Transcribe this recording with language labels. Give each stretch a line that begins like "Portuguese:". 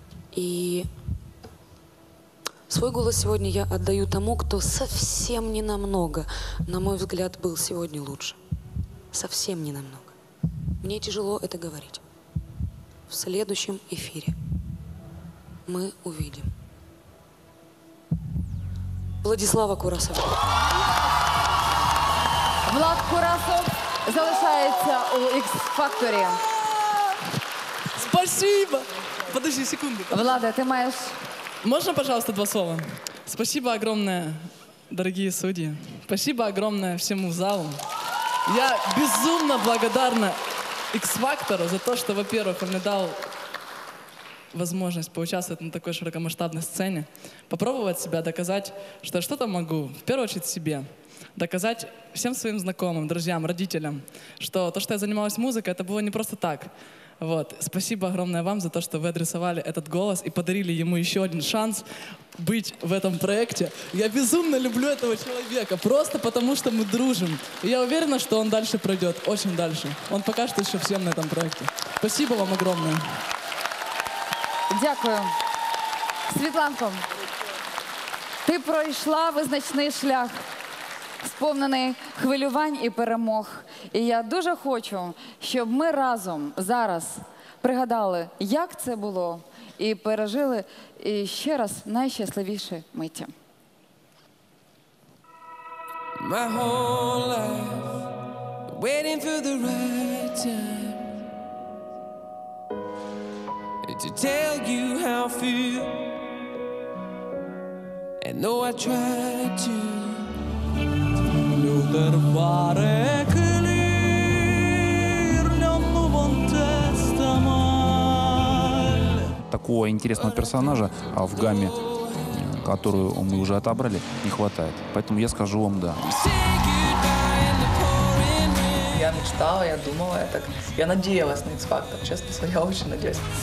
Russian: И свой голос сегодня я отдаю тому, кто совсем не намного, на мой взгляд, был сегодня лучше. Совсем не намного. Мне тяжело это говорить. В следующем эфире мы увидим Владислава Курасова.
Ukrainian: Влад Курасов залишається у X-Factory.
Russian: Спасибо! Подожди секунду.
Ukrainian: Влада, ты маєш...
Russian: Можно, пожалуйста, два слова? Спасибо огромное, дорогие судьи. Спасибо огромное всему залу. Я безумно благодарна X-Factor за то, что, во-первых, он мне дал возможность поучаствовать на такой широкомасштабной сцене, попробовать себя, доказать, что я что-то могу, в первую очередь, себе, доказать всем своим знакомым, друзьям, родителям, что то, что я занималась музыкой, это было не просто так. Вот. Спасибо огромное вам за то, что вы адресовали этот голос и подарили ему еще один шанс быть в этом проекте. Я безумно люблю этого человека, просто потому что мы дружим. И я уверена, что он дальше пройдет, очень дальше. Он пока что еще всем на этом проекте. Спасибо вам огромное.
Ukrainian: Дякую. Світланко, ти пройшла визначний шлях, сповнений хвилювань і перемог. І я дуже хочу, щоб ми разом зараз пригадали, як це було, і пережили і ще раз найщасливіше миття.
English: My whole life, waiting for the right time. To tell you how I feel, and though I try to, you'll never fare clear. Non mi testa male.
Russian: Такого интересного персонажа в гамме, которую мы уже отобрали, не хватает. Поэтому я скажу вам да. Я мечтала, я думала, я так, я надеялась на X-Factor. Честно говоря, я очень надеялась.